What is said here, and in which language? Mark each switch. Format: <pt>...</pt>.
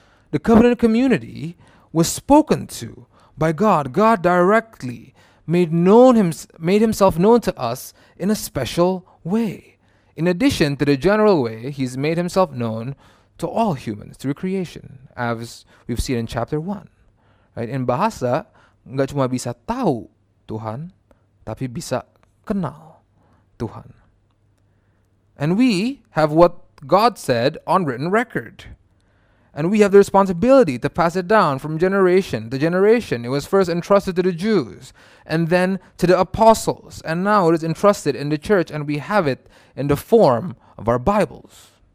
<en>The covenant community was spoken to by God. God directly made himself known to us in a special way, in addition to the general way he's made himself known to all humans through creation, as we've seen in chapter 1. Right? In bahasa,</en> <id>nggak cuma bisa tahu Tuhan, tapi bisa kenal Tuhan.</id> <en>And we have what God said on written record. And we have the responsibility to pass it down from generation to generation. It was first entrusted to the Jews and then to the apostles. And now it is entrusted in the church and we have it in the form of our Bibles.</en>